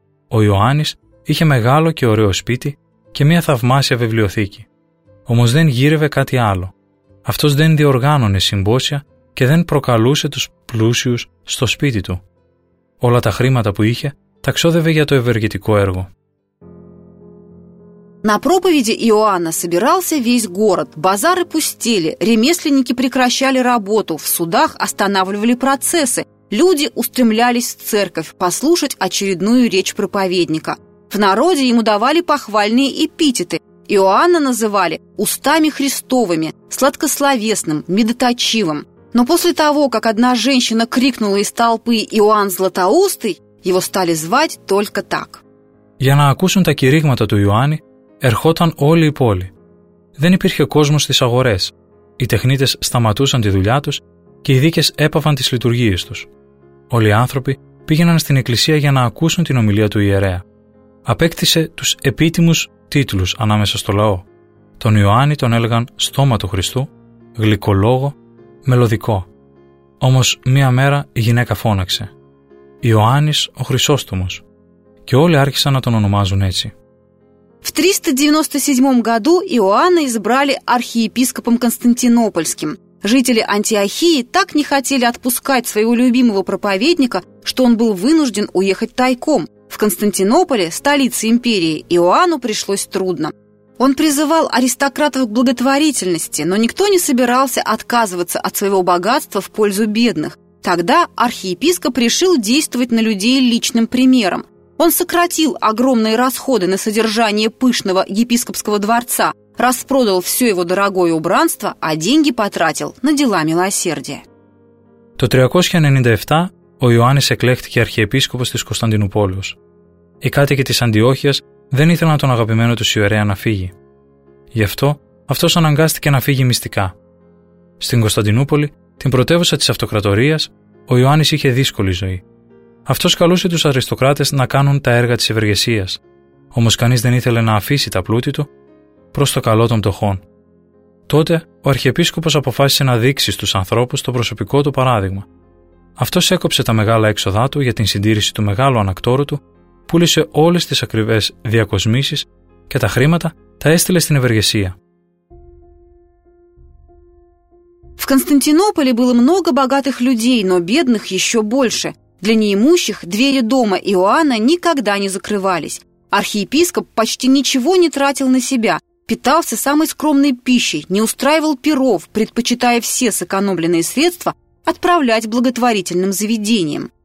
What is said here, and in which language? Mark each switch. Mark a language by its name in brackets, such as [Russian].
[Greek] Ο Ιωάννης είχε μεγάλο και ωραίο σπίτι και μια θαυμάσια βιβλιοθήκη. Όμως δεν γύρευε κάτι άλλο. Αυτός δεν διοργάνωνε συμπόσια και δεν προκαλούσε τους πλούσιους στο σπίτι του. Όλα τα χρήματα που είχε τα ξόδευε για το ευεργετικό έργο. [Russian] На проповеди Иоанна собирался весь город, базары пустели, ремесленники прекращали работу, в судах останавливали процессы, люди устремлялись в церковь послушать очередную речь проповедника. В народе ему давали похвальные эпитеты. Иоанна называли «устами Христовыми», «сладкословесным», «медоточивым». Но после того, как одна женщина крикнула из толпы «Иоанн Златоустый», его стали звать только так. [Greek] Я на окусун таки ригмата ту Иоанни, ερχόταν όλη η πόλη. Δεν υπήρχε κόσμος στις αγορές. Οι τεχνίτες σταματούσαν τη δουλειά τους και οι δίκες έπαυαν τις λειτουργίες τους. Όλοι οι άνθρωποι πήγαιναν στην εκκλησία για να ακούσουν την ομιλία του ιερέα. Απέκτησε τους επίτιμους τίτλους ανάμεσα στο λαό. Τον Ιωάννη τον έλεγαν «Στόμα του Χριστού», «Γλυκολόγο», «Μελωδικό». Όμως μία μέρα η γυναίκα φώναξε «Ιωάννης ο Χρυσόστομος» και όλοι άρχισαν να τον ονομάζουν έτσι. [Russian] В 397 году Иоанна избрали архиепископом Константинопольским. Жители Антиохии так не хотели отпускать своего любимого проповедника, что он был вынужден уехать тайком. В Константинополе, столице империи, Иоанну пришлось трудно. Он призывал аристократов к благотворительности, но никто не собирался отказываться от своего богатства в пользу бедных. Тогда архиепископ решил действовать на людей личным примером. Он сократил огромные расходы на содержание пышного епископского дворца, распродал все его дорогое убранство, а деньги потратил на дела милосердия. [Greek] Το 397 ο Ιωάννης εκλέχθηκε αρχιεπίσκοπος της Κωνσταντινούπολης. Οι κάτοικοι της Αντιόχειας δεν ήθελαν τον αγαπημένο τους ιερέα να φύγει. Γι' αυτό αυτός αναγκάστηκε να φύγει μυστικά. Στην Κωνσταντινούπολη, την πρωτεύουσα της αυτοκρατορίας, ο Ιωάννης είχε δύσκολη ζωή. Αυτός καλούσε τους αριστοκράτες να κάνουν τα έργα της ευεργεσίας, όμως κανείς δεν ήθελε να αφήσει τα πλούτη του προς το καλό των πτωχών. Τότε ο αρχιεπίσκοπος αποφάσισε να δείξει στους ανθρώπους το προσωπικό του παράδειγμα. Αυτός έκοψε τα μεγάλα έξοδά του για την συντήρηση του μεγάλου ανακτόρου του, πούλησε όλες τις ακριβές διακοσμήσεις και τα χρήματα τα έστειλε στην ευεργεσία. [Russian] В Константинополе было много богатых людей, но бедных еще больше. Для неимущих двери дома Иоанна никогда не закрывались. Архиепископ почти ничего не тратил на себя, питался самой скромной пищей, не устраивал пиров, предпочитая все сэкономленные средства отправлять благотворительным заведениям.